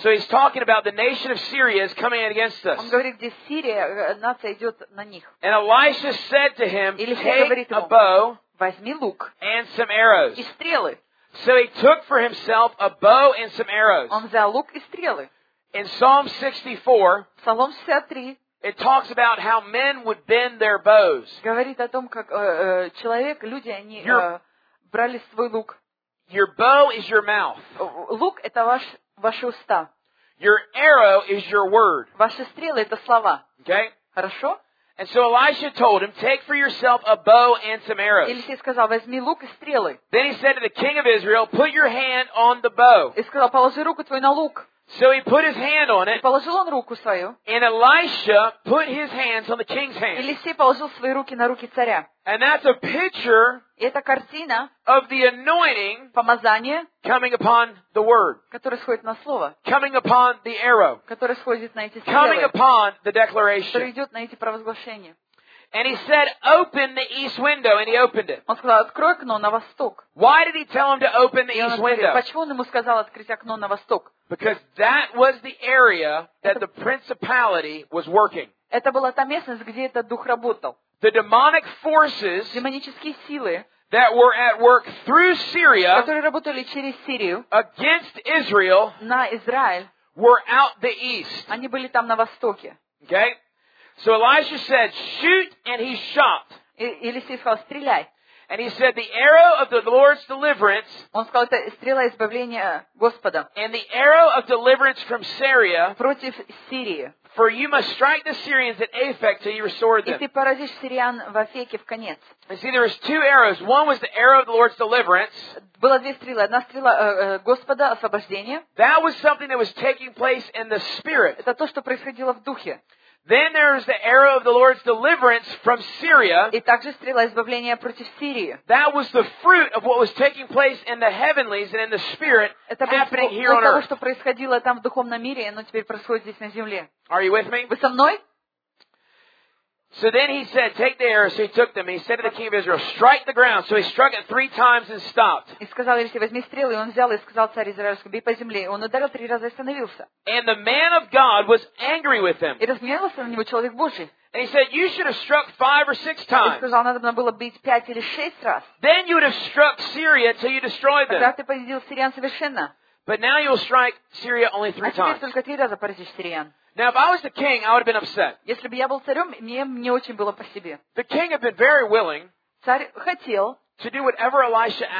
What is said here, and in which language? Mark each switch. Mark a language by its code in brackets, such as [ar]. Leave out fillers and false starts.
[en] So he's talking about the nation of Syria is coming against us. [ru] Он говорит, где Сирия, нация идет на них. [en] And Elisha said to him, take a bow, [ru] возьми лук, [en] and some arrows. [ru] И стрелы. [en] So he took for himself a bow and some arrows. [ru] Он взял лук и стрелы. [en] In Psalm 64, [ru] Псалом 63, [en] it talks about how men would bend their bows. [ru] Говорит о том, как человек, люди, они брали свой лук. [en] Your bow is your mouth. [ru] Лук это ваши уста. [en] Your arrow is your word. [ru] Ваши стрелы это слова. [en] Okay? [ru] Хорошо? [en] And so Elisha told him, take for yourself a bow and some arrows. [ru] Елисей сказал, возьми лук и стрелы. [en] Then he said to the king of Israel, put your hand on the bow. [ru] И сказал, положи руку твою на лук. [en] So he put his hand on it. [ru] Положил он руку свою. [en] And Elisha put his hands on the king's hand. [ru] Елисей положил свои руки на руки царя. [en] And that's a picture. [ru] Это картина. [en] Of the anointing. [ru] Помазание. [en] Coming upon the word. [ru] Которое сходит на слово. [en] Coming upon the arrow. [ru] Которое сходит на эти стрелы. [en] Coming upon the declaration. [ru] Которое идет на эти провозглашения. [en] And he said, open the east window, and he opened it. [ru] Он сказал, открой окно на восток. [en] Why did he tell him to open the east window? [ru] Почему он ему сказал открыть окно на восток? [en] Because that was the area that the principality was working. [ru] Это была та местность, где этот дух работал. [en] The demonic forces, [ru] демонические силы, [en] that were at work through Syria, [ru] которые работали через Сирию, [en] against Israel, [ru] на Израиль, [en] were out the east. [ru] Они были там на востоке. [en] Okay? So Elisha said, shoot, and he shot. [ru] Елисей сказал, стреляй. [en] And he said, the arrow of the Lord's deliverance, [ru] он сказал, это стрела избавления Господа, [en] and the arrow of deliverance from Syria, [ru] против Сирии, [en] for you must strike the Syrians at Aphek till you restore them. [ru] И ты поразишь сириан в Афеке в конец. [en] And see, there was two arrows. One was the arrow of the Lord's deliverance. [ru] Было две стрелы. Одна стрела Господа, освобождение. [en] That was something that was taking place in the Spirit. [ru] Это то, что происходило в Духе. [en] Then there is the arrow of the Lord's deliverance from Syria. [ru] И также стрела избавления против Сирии. [en] That was the fruit of what was taking place in the heavenlies and in the spirit happening here on earth. [ru] Это то, что происходило там в духовном мире, и оно теперь происходит здесь на земле. [en] Are you with me? [ru] Вы со мной? [en] So then he said, take the arrows. So he took them. He said to the king of Israel, strike the ground. So he struck it three times and stopped. [ru] И сказал Елисей, возьми стрелы. И он взял и сказал царю израильскому, бей по земле. И он ударил три раза и остановился. [en] And the man of God was angry with him. [ru] И разгневался на него человек Божий. [en] And he said, you should have struck five or six times. [ru] И сказал, надо было бить пять или шесть раз. [en] Then you would have struck Syria till you destroyed them. [ru] Тогда ты победил сириан совершенно. [en] But now you will strike Syria only three times. [ru] А теперь только три раза поразишь сириан. [en] Now, if I was the king, I would have been upset. [ru] Если бы я был царем, мне не очень было по себе. [en] The king had been very willing [ru] царь хотел [en] to do whatever Elisha asked